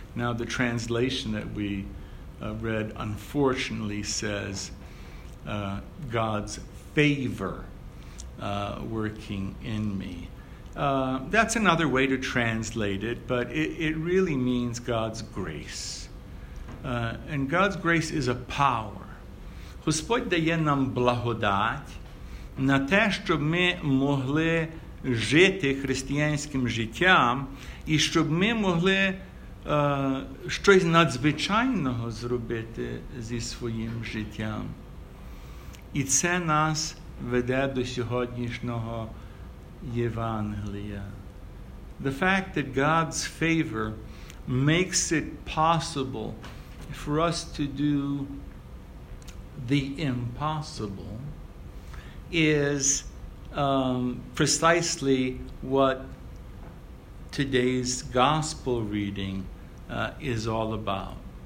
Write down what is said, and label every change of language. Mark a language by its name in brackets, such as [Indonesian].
[English] Now, the translation that we read, unfortunately, says God's favor working in me. That's another way to translate it, but it really means God's grace. And God's grace is a power. [Ukrainian] Господь дає нам благодать на те, щоб ми могли жити християнським життям і щоб ми могли щось надзвичайного зробити зі своїм життям. І це нас веде до сьогоднішнього Євангелія. [English] The fact that God's favor makes it possible for us to do the impossible is precisely what today's gospel reading is all about.